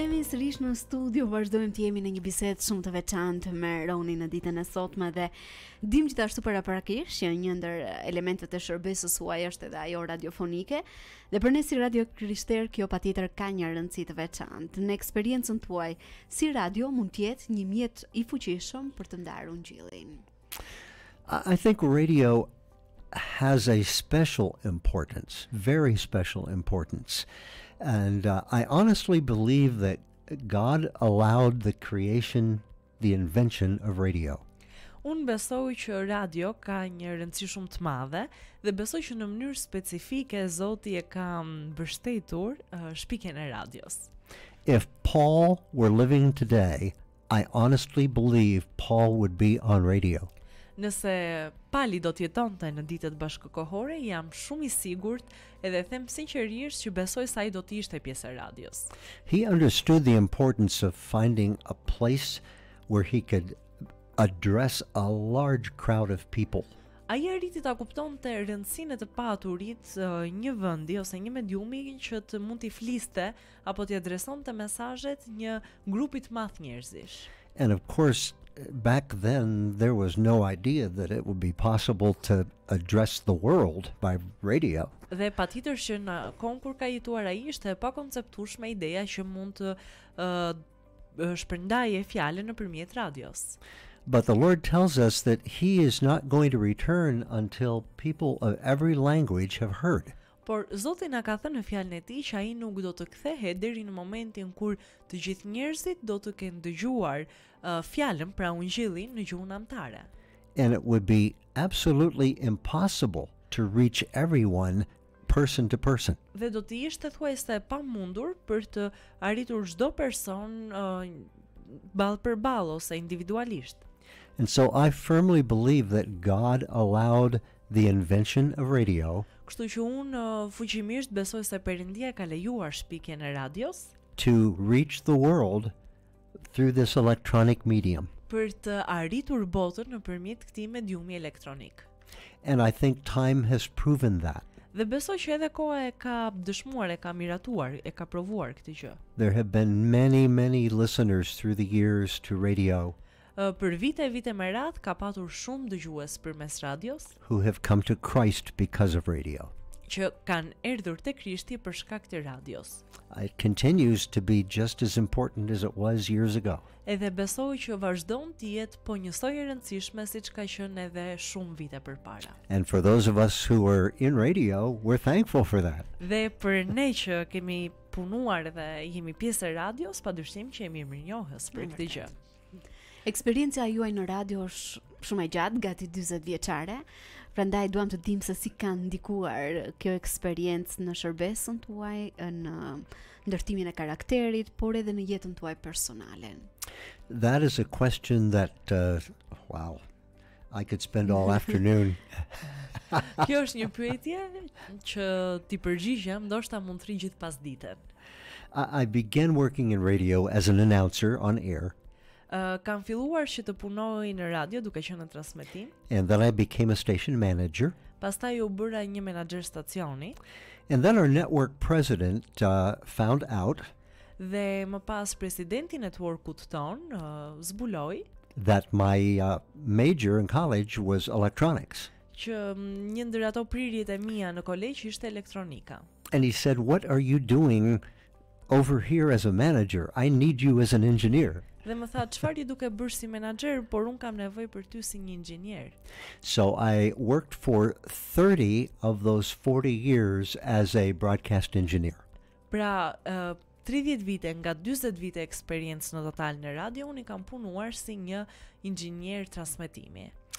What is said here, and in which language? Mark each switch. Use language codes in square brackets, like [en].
[sq] Sërish në studio, vazhdojmë të jemi në një bisedë shumë të veçantë me Ronin në ditën e sotme dhe dim gjithashtu paraprakisht që një ndër elementet e shërbesës huaj është edhe ajo radiofonike dhe për ne si Radio Krishter kjo patjetër ka një rëndësi të veçantë. Në eksperiencën tuaj, si radio mund tjetë një mjet i fuqishëm për të ndarë ungjillin? [en] I think radio has a special importance, very special importance. And I honestly believe that God allowed the creation, the invention of radio. [sq] Unë besoj që radio ka një rëndësi shumë të madhe dhe besoj që në mënyrë specifike Zoti e ka mbështetur shpikjen e radios. [en] If Paul were living today, I honestly believe Paul would be on radio. [sq] Nëse Pali do të jetonte në ditët bashkëkohore, jam shumë i sigurt edhe them sinqerisht që besoj se ai do të ishte pjesë e radios. [en] He understood the importance of finding a place where he could address a large crowd of people. [sq] Ai arriti ta kuptonte rëndësinë të paturit një vendi ose një mediumi që të mund të fliste apo të adresonte mesazhet një grupi të madh njerëzish. [en] And of course back then there was no idea that it would be possible to address the world by radio. [sq] Dhe patjetër që në kohën kur ka jetuar ai ishte e pakonceptueshme ideja që mund të shpërndaje fjalën nëpërmjet radios. [en] But the Lord tells us that he is not going to return until people of every language have heard. [sq] Por Zoti na ka thënë në fjalën e tij që ai nuk do të kthehet deri në momentin kur të gjithë njerëzit do të kenë dëgjuar fjalën pra ungjillin në gjuhën antare. [en] And it would be absolutely impossible to reach everyone person to person. [sq] Dhe do të ishte thuajse pamundur për të arritur çdo person ball për ball ose individualisht. [en] And so I firmly believe that God allowed the invention of radio. [sq] Kështu që unë fuqimisht besoj se Perëndia ka lejuar shpikjen e radios [en] to reach the world through this electronic medium. [sq] për të arritur botën nëpërmjet këtij mediumi elektronik. [en] And I think time has proven that. [sq] Dhe besoj që edhe koha e ka dëshmuar, e ka miratuar, e ka provuar këtë gjë. [en] There have been many, many listeners through the years to radio. [sq] Për vite e vite me radh ka patur shumë dëgjues përmes radios. [en] Who have come to Christ because of radio. [sq] Që kanë erdhur te Krishti për shkak të radios. [en] It continues to be just as important as it was years ago. [sq] Edhe besoj që vazhdon të jetë po njësoj e rëndësishme siç ka qenë edhe shumë vite përpara. [en] And for those of us who are in radio, we're thankful for that. [sq] Dhe për ne që kemi punuar dhe jemi pjesë e radios, padyshim që jemi mirënjohës për këtë gjë. Eksperienca juaj në radio është shumë e gjatë, gati 40 vjeçare. Prandaj duam të dim se si ka ndikuar kjo eksperiencë në shërbesën tuaj, në ndërtimin e karakterit, por edhe në jetën tuaj personale. [en] That is a question that wow, I could spend all afternoon. [sq] Kjo është një pyetje që ti përgjigjem, ndoshta mund të rri gjithë pasdite. [en] I began working in radio as an announcer on air. [sq] Kam filluar që të punoj në radio duke qenë në transmetim. [en] And then I became a station manager. [sq] Pastaj u bëra një menaxher stacioni. [en] And then our network president found out. [sq] Dhe më pas presidenti networkut ton zbuloi [en] that my major in college was electronics. [sq] Që një ndër ato prirjet e mia në koleg ishte elektronika. [en] And he said, "What are you doing over here as a manager? I need you as an engineer." [sq] Dhe më tha, "Çfarë je duke bërë si menaxher, por un kam nevojë për ty si një inxhinier." [en] So I worked for 30 of those 40 years as a broadcast engineer. [sq] Pra 30 vite nga 40 vite eksperiencë në total në radio, unë kam punuar si një inxhinier transmetimi.